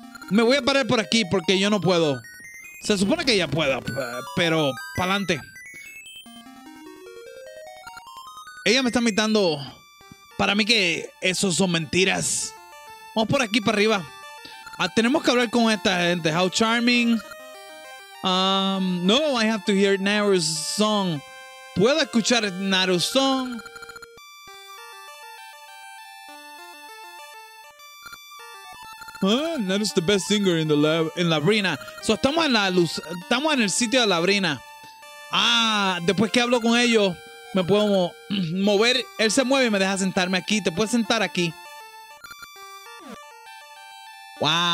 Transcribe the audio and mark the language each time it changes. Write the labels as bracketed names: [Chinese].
[Spanish] Me voy a parar por aquí porque yo no puedo. Se supone que ella pueda, pero pa'lante. Ella me está mirando. Para mí que eso son mentiras. Vamos por aquí para arriba. Tenemos que hablar con esta gente. [English] How charming. No, I have to hear Naru's song. [Spanish] ¿Puedo escuchar [English] Naru's song? Naru's the best singer in the lab, in [Spanish] la arena. [English] So, [Spanish] estamos en el sitio de la arena. Después que hablo con ellos, me puedo mover. Él se mueve y me deja sentarme aquí. Te puedes sentar aquí. [English] Wow.